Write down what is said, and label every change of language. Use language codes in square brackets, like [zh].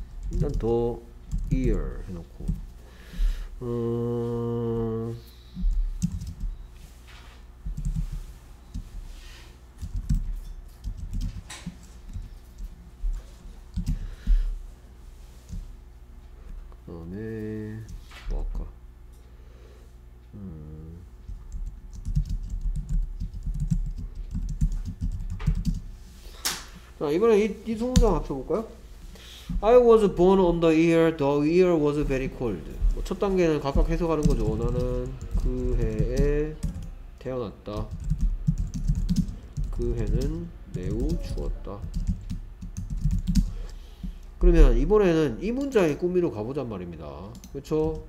[ko] 일단 더 year 해놓고 그다음에 뭐 할까? 자 이번에 이 소문장 합쳐볼까요? [en] I was born on the year the year was very cold. [ko] 뭐 첫 단계는 각각 해석하는 거죠. 나는 그 해에 태어났다. 그 해는 매우 추웠다. 그러면 이번에는 이 문장의 꾸미로 가보잔 말입니다. 그렇죠?